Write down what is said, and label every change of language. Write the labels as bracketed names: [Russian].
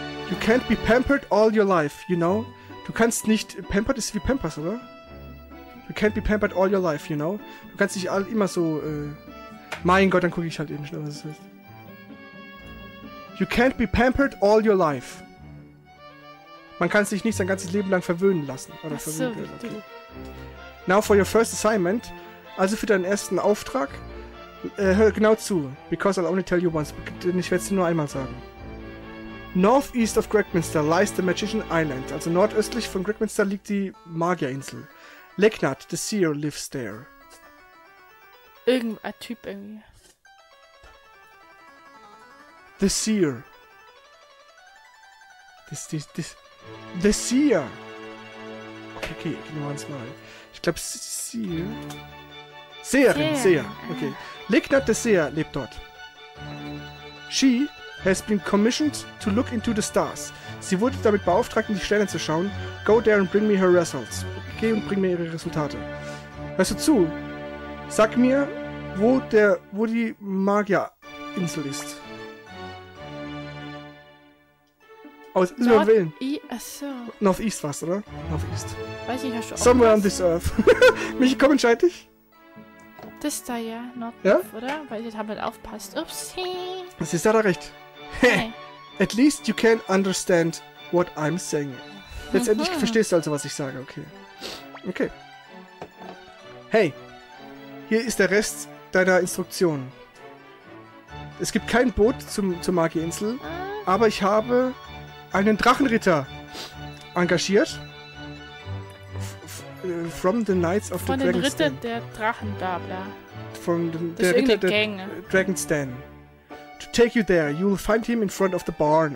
[English] You can't be pampered all your life, you know? [German] Du kannst nicht... Pampered ist wie Pampers, oder? [English] You can't be pampered all your life, you know? [German] Du kannst nicht all, immer so... mein Gott, dann gucke ich halt eben schnell, was es heißt. [English] You can't be pampered all your life. [German] Man kann sich nicht sein ganzes Leben lang verwöhnen lassen. Oder ach verwöhnen, so, okay. Du. [English] Now for your first assignment. [German] Also für deinen ersten Auftrag. Hör genau zu. [English] Because I'll only tell you once. [German] Denn ich werde es dir nur einmal sagen. [English] Northeast of Gregminster lies the Magician Island. [German] Also nordöstlich von Gregminster liegt die Magierinsel. [English] Lecknat, the seer, lives there. [German] Irgendein Typ irgendwie. [English] The seer. [German] The seer. Okay, gehen wir uns mal. Ich glaube, seer. Seer. Okay. Lecknat, the seer, lebt dort. [English] She has been commissioned to look into the stars. [German] Sie wurde damit beauftragt, in die Sterne zu schauen. [English] Go there and bring me her results. [German] Geh und bring mir ihre Resultate. Hörst du zu? Sag mir, wo die Magierinsel ist. Aus Überwillen. Northeast war's, oder? Northeast. Weiß ich nicht, hast du auch somewhere was? [English] On this earth. [German] Michi, komm, entscheid dich. Das da, ja. North, ja? Oder? Weil ich jetzt halt aufpasst. Ups. Das ist ja da recht. [English] Hey. At least you can understand what I'm saying. [German] Letztendlich verstehst du also, was ich sage, okay. Okay. Hey, hier ist der Rest deiner Instruktionen. Es gibt kein Boot zur Magierinsel, aber ich habe einen Drachenritter engagiert. [English] From the Knights of [German] von [English] the Dragonstan. [German] Von den Ritter der Drachen da, bla. Von dem, das der ist Ritter der Gang. [English] Dragonstan. To take you there, you will find him in front of the barn.